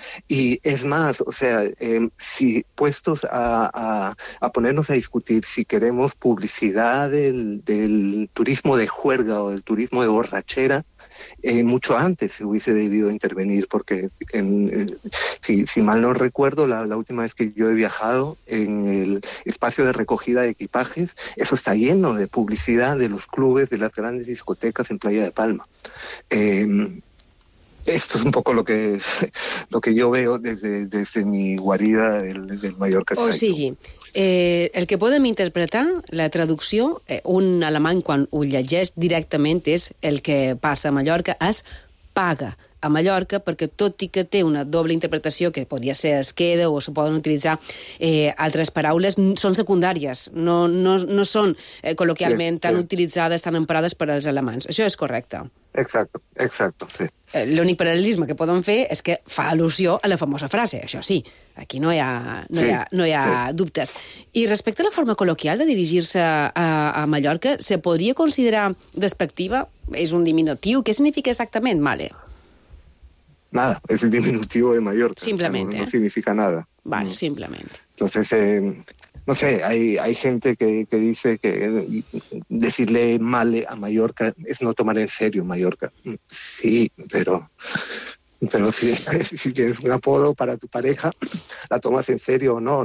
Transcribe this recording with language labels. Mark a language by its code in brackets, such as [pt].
[es] Y es más, si puestos a ponernos a discutir si queremos publicidad del turismo de juerga o del turismo de borrachera, mucho antes se hubiese debido intervenir, porque si mal no recuerdo, la última vez que yo he viajado en el espacio de recogida de equipajes, eso está lleno de publicidad de los clubes, de las grandes discotecas en Playa de Palma. Esto es un poco lo que yo veo desde mi guarida del Mallorca. [ca] O sigui, el que podem interpretar, la traducció, un alemany quan ho llegeix directament és el que passa a Mallorca, es paga a Mallorca, perquè tot i que té una doble interpretació, que podria ser es queda o se poden utilitzar altres paraules, són secundàries, no són col·loquialment sí, tan sí. utilitzades, tan emprades per als alemans. Això és correcte. Exacte, sí. L'únic paral·lelisme que poden fer és que fa al·lusió a la famosa frase, això sí. Aquí no hi ha dubtes. I respecte a la forma col·loquial de dirigir-se a Mallorca, se podria considerar despectiva? És un diminutiu? Què significa exactament, Male? [es] Nada, es el diminutivo de Mallorca. Simplemente. O sea, no significa nada. Vale, simplemente. Entonces, hay gente que dice que decirle Male a Mallorca es no tomar en serio Mallorca. Sí, pero si tienes un apodo para tu pareja, ¿la tomas en serio o no?